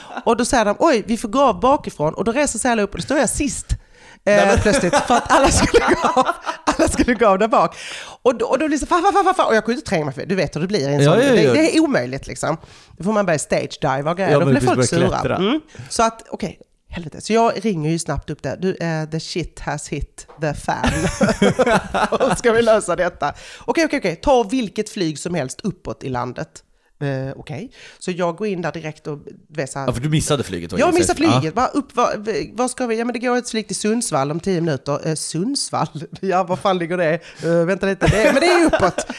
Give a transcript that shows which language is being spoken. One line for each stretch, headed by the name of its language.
Swedish: Och då säger de, oj, vi får gå av bakifrån. Och då reser sig alla upp. Och då står jag sist. Plötsligt. För att alla skulle gå av där bak. Och då blir det så, fan. Och jag kunde inte tränga mig för det. Du vet hur det blir. En sån. Ja. Det är omöjligt liksom. Då får man börja stage dive. Ja, då blir folk sura. Så att, okej. Okay. Helvete. Så jag ringer ju snabbt upp där.
English: Du, the shit has hit the fan.
Swedish: Ska vi lösa detta? Okej. Ta vilket flyg som helst uppåt i landet. Okej. Så jag går in där direkt och väsar. Ja, för du missade flyget. Jag missade flyget. Vad ska vi? Ja, men det går ett flyg till Sundsvall om 10 minuter. Sundsvall? Ja, var fan ligger det? Vänta lite. Men det är uppåt.